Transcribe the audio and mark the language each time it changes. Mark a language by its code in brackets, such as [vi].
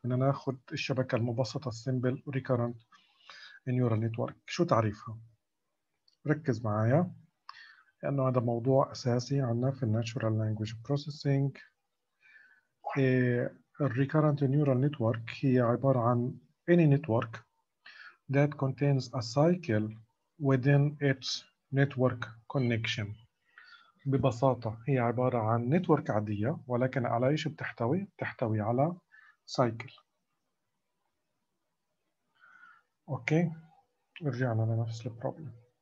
[ar] بدنا ناخذ الشبكه المبسطه السيمبل ريكرنت نيورال نتورك. شو تعريفها؟ ركز معايا لأنه هذا موضوع أساسي عندنا في Natural Language Processing. [en] الـ Recurrent Neural Network [ar] هي عبارة عن [en] Any Network that contains a cycle within its network connection. [ar] ببساطة هي عبارة عن نتورك عادية، ولكن على إيش بتحتوي؟ بتحتوي على cycle. أوكي، رجعنا لنفس البروبلم.